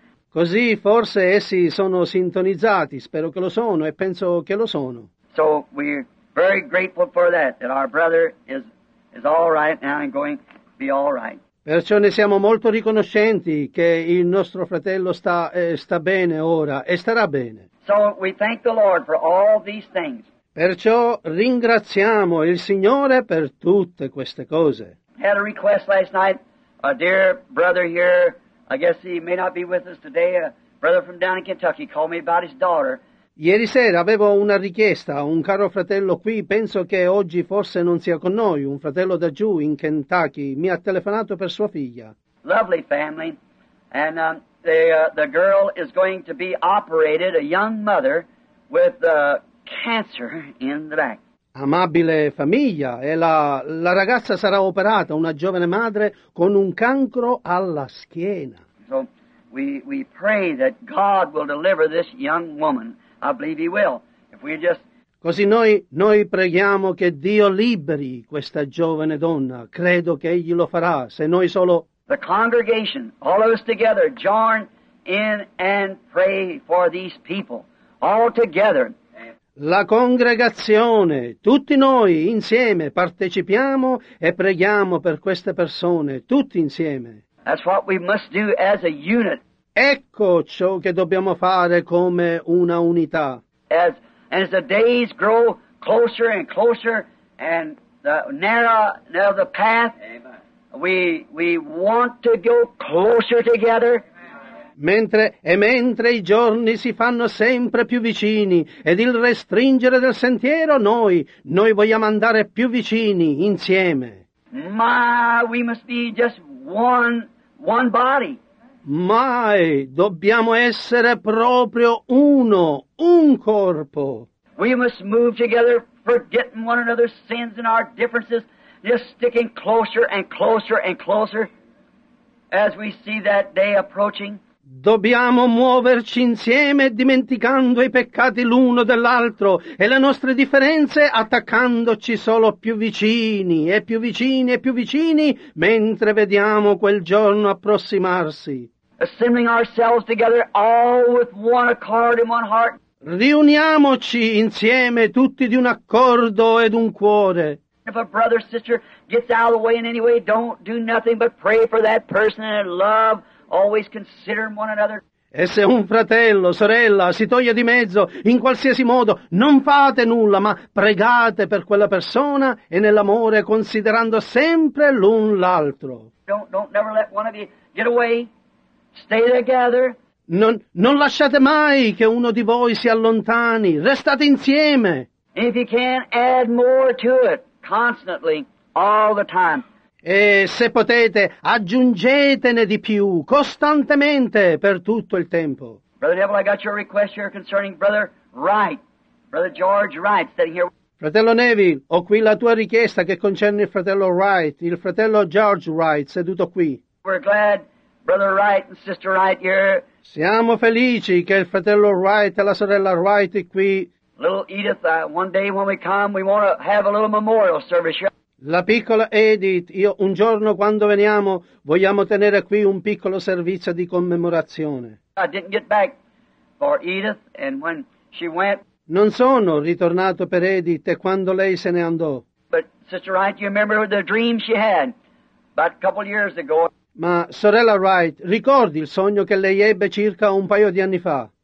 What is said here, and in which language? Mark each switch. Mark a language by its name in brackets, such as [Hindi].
[Italian] Così forse essi sono sintonizzati, spero che lo sono e penso che lo sono. [English] So we're very grateful for that our brother is is all right now and going to be all right. [Italian] Perciò ne siamo molto riconoscenti che il nostro fratello sta bene ora e starà bene. [English] So we thank the Lord for all these things. [Italian] Perciò ringraziamo il Signore per tutte queste cose. [English] Had a request last night, a dear brother here, I guess he may not be with us today, a brother from down in Kentucky called me about his daughter. [Italian] Ieri sera avevo una richiesta, un caro fratello qui, penso che oggi forse non sia con noi, un fratello da giù in Kentucky, mi ha telefonato per sua figlia. [English] Lovely family, and the girl is going to be operated, a young mother, with cancer in the back. [Italian] Amabile famiglia, e la ragazza sarà operata, una giovane madre, con un cancro alla schiena. [English] So, we pray that God will deliver this young woman. I believe he will. If we just... [Italian] Così noi preghiamo che Dio liberi questa giovane donna. Credo che egli lo farà, se noi solo... [English] The congregation, all of us together, join in and pray for these people. All together. [Italian] La congregazione, tutti noi insieme partecipiamo e preghiamo per queste persone, tutti insieme. [English] That's what we must do as a unit. [Italian] Ecco ciò che dobbiamo fare come una unità. [English] As the days grow closer and closer and the narrow the path, we want to go closer together. [Italian] Mentre i giorni si fanno sempre più vicini ed il restringere del sentiero, noi vogliamo andare più vicini insieme. [English] Ma we must be just one body. [Italian] Mai dobbiamo essere proprio uno, un corpo. [English] We must move together, forgetting one another's sins and our differences, just sticking closer and closer and closer as we see that day approaching. [Italian] Dobbiamo muoverci insieme, dimenticando i peccati l'uno dell'altro e le nostre differenze, attaccandoci solo più vicini e più vicini e più vicini, mentre vediamo quel giorno approssimarsi. [English] Assembling ourselves together, all with one accord and one heart. [Italian] Riuniamoci insieme, tutti di un accordo ed un cuore. [English] If a brother or sister gets out of the way in any way, don't do nothing but pray for that person and love. Always consider one another. [Italian] E se un fratello, sorella, si toglie di mezzo, in qualsiasi modo, non fate nulla, ma pregate per quella persona e nell'amore, considerando sempre l'un l'altro. [English] Don't never let one of you get away. Stay together. [Italian] Non lasciate mai che uno di voi si allontani. Restate insieme. [English] If you can, add more to it, constantly, all the time. [Italian] E se potete, aggiungetene di più, costantemente, per tutto il tempo. [English] Brother Neville, I got your request here concerning Brother Wright. Brother George Wright, sitting here. [Italian] Fratello Neville, ho qui la tua richiesta che concerne il fratello George Wright, seduto qui. [English] We're glad. Brother Wright and Sister Wright here. [Italian] Siamo felici che il fratello Wright e la sorella Wright è qui. [English] Little Edith, one day when we come, we want to have a little memorial service here. [Italian] La piccola Edith, io un giorno quando veniamo, vogliamo tenere qui un piccolo servizio di commemorazione. [English] I didn't get back for Edith, and when she went. [Italian] Non sono ritornato per Edith e quando lei se ne andò. [English] But Sister Wright, you remember the dream she had about a couple years ago. [Italian] Ma sorella Wright, ricordi il sogno che lei ebbe circa un paio di anni fa?